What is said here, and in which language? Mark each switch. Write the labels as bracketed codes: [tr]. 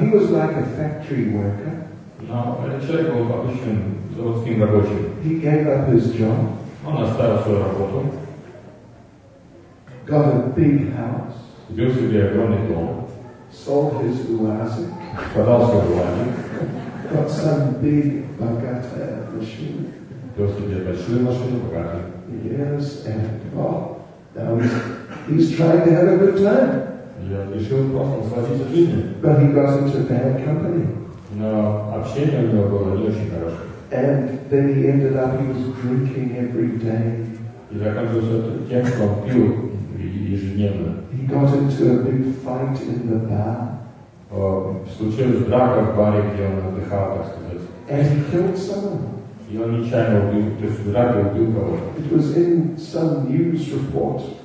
[en] He was like a factory worker. [ru] No, этот человек был обычным заводским рабочим. [en] He gave up his job. [ru] Он оставил свою работу. [en] Got a big house. [ru] Купил себе огромный дом. [en] Sold his уазик. [ru] Продал свой уазик. [en] Got some big [ru] богатая машина. Купил себе большую машину, богатую. [en] Yes, and well, that was. He's trying to have a good time. [ru] Yeah, еще он просто насладился жизнью. [en] But he got into bad company. [ru] Но общение у него было не очень хорошее. [en] And then he ended up, he was drinking every day. [ru] И заканчивался тем, что он пил ежедневно. [en] He got into a big fight in the bar. [ru] Случилась драка в баре, где он отдыхал, так сказать. [en] And he killed someone. [ru] И он нечаянно убил, то есть в драке убил кого-то. [en] It was in some news report.